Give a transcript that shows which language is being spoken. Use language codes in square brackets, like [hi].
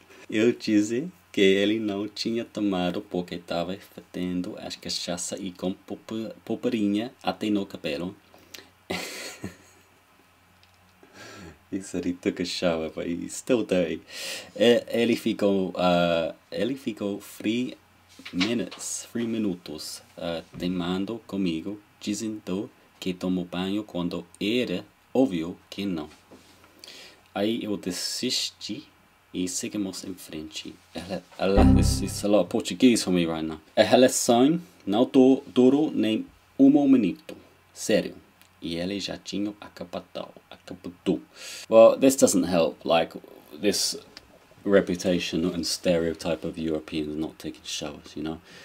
[pt] Eu disse que ele não tinha tomado porque estava fedendo a cachaça e com purpurina até no cabelo. [en] He said he took a shower, but he's still dirty. [pt] Ele ficou [en] 3 minutes, [pt] 3 minutos, teimando comigo, dizendo que tomou banho quando era óbvio que não. Aí eu desisti e seguimos em frente. [en] This is a lot of Portuguese for me right now. [pt] A relação não durou nem um minuto. Sério. E ele já tinha acabado. [en] Well, this doesn't help. Like, this reputation and stereotype of Europeans not taking showers, you know?